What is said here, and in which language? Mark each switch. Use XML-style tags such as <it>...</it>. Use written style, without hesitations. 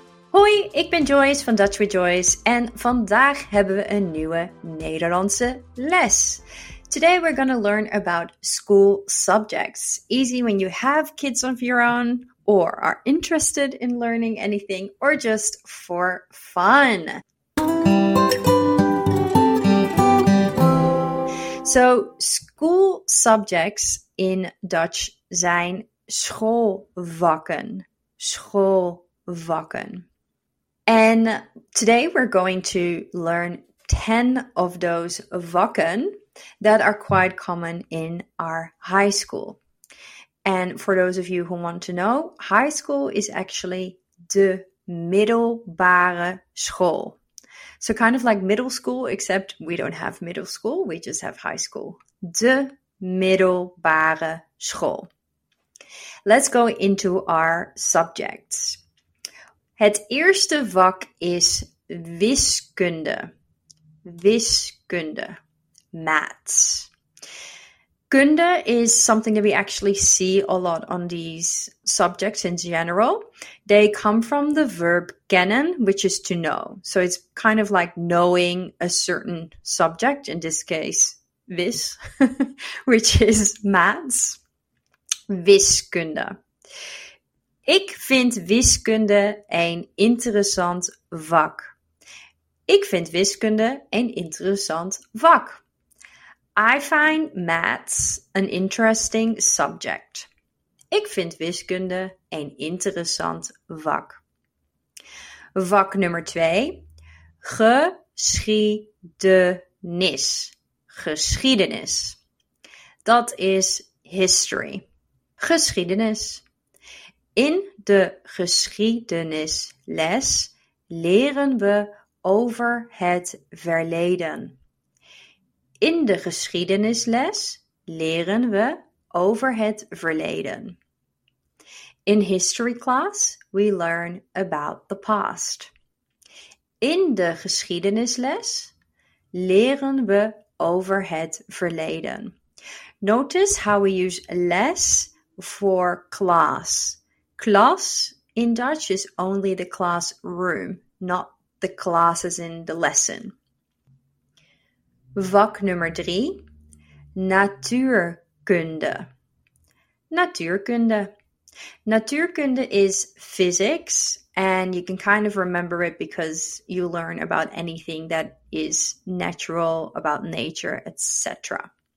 <nl>Hoi, ik ben Joyce van Dutch with Joyce en vandaag hebben we een nieuwe Nederlandse les.</nl> <en>Today we're going to learn about school subjects. Easy when you have kids of your own. Or are interested in learning anything, or just for fun. So, school subjects in Dutch</en> <nl>zijn schoolvakken. Schoolvakken.</nl> <en>And today we're going to learn 10 of those vakken that are quite common in our high school. And for those of you who want to know, high school is actually</en> <nl>de middelbare school.</nl> <en>So kind of like middle school, except we don't have middle school, we just have high school.</en> <nl>De middelbare school.</nl> <en>Let's go into our subjects.</en> <nl>Het eerste vak is wiskunde. Wiskunde. Maths.</nl> <en>Kunde is something that we actually see a lot on these subjects in general. They come from the verb kennen, which is to know. So it's kind of like knowing a certain subject, in this case, this, which is maths.</en> <nl>Wiskunde. Ik vind wiskunde een interessant vak. Ik vind wiskunde een interessant vak.</nl> <en>I find maths an interesting subject.</en> <nl>Ik vind wiskunde een interessant vak. Vak nummer 2. Geschiedenis. Geschiedenis. Dat is history. Geschiedenis. In de geschiedenisles leren we over het verleden. In de geschiedenisles leren we over het verleden.</nl> <en>In history class, we learn about the past.</en> <nl>In de geschiedenisles leren we over het verleden.</nl> <en>Notice how we use les for class. Class in Dutch is only the classroom, not the classes in the lesson.</en> <nl>Vak nummer 3, natuurkunde. Natuurkunde.</nl> <en>Natuurkunde is physics, and you can kind of remember it because you learn about anything that is natural, about nature, etc.</en>